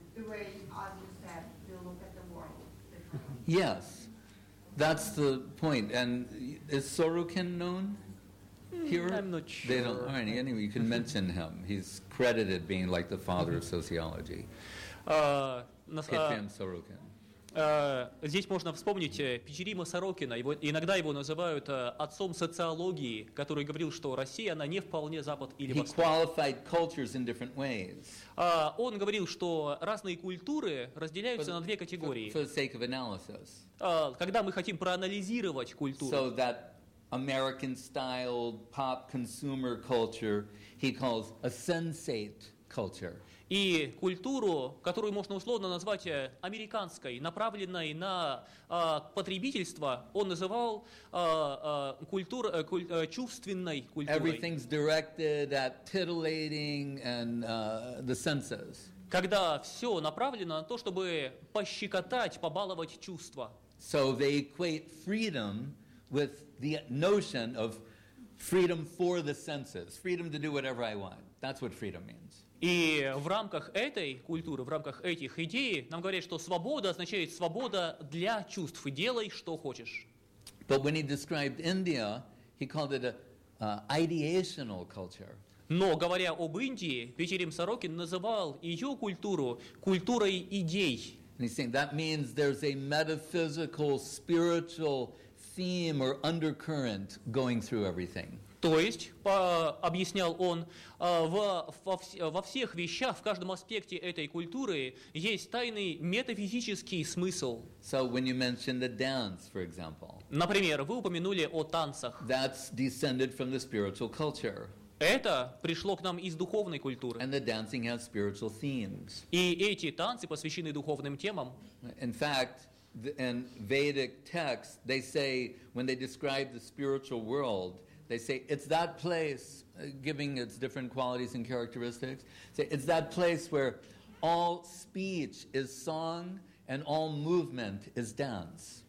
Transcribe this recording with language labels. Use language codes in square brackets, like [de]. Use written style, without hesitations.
[en] The way, as you said, you look at the world differently. Yes. That's the point. And Is Sorokin known here? I'm not sure. They don't. All right, anyway, you can mention him. He's credited being like the father of sociology. H.P.M. Sorokin. [ru] Здесь можно вспомнить Печерима Сорокина. Его, иногда его называют отцом социологии, который говорил, что Россия, она не вполне Запад или Восток. [en] He qualified cultures in different ways. [ru] Он говорил, что разные культуры разделяются на две категории. [en] For the sake of analysis. [ru] Когда мы хотим проанализировать культуру. [en] So that American-style pop consumer culture he calls a sensate culture. [ru] И культуру, которую можно условно назвать американской, направленной на потребительство, он называл чувственной культурой. [en] Everything's directed at titillating and the senses. [ru] Когда все направлено на то, чтобы пощекотать, побаловать чувства. [en] So they equate freedom with the notion of freedom for the senses, freedom to do whatever I want. That's what freedom means. [ru] И в рамках этой культуры, в рамках этих идей, нам говорят, что свобода означает свобода для чувств. Делай, что хочешь. [en] But when he described India, he called it an ideational culture. [ru] Но, говоря об Индии, Печерим Сорокин называл ее культуру культурой идей. [en] And he's saying that means there's a metaphysical, spiritual theme or undercurrent going through everything. [ru] То есть, объяснял он, во всех вещах, в каждом аспекте этой культуры есть тайный метафизический смысл. [en] So when you mention the dance, for example, [ru] например, вы упомянули о танцах. [en] That's descended from the spiritual culture. [ru] Это пришло к нам из духовной культуры. [en] And the dancing has spiritual themes. [ru] И эти танцы посвящены духовным темам. [en] In fact, in Vedic texts, they say, when they describe the spiritual world, they say, it's that place, giving its different qualities and characteristics, say, it's that place where all speech is song and all movement is dance.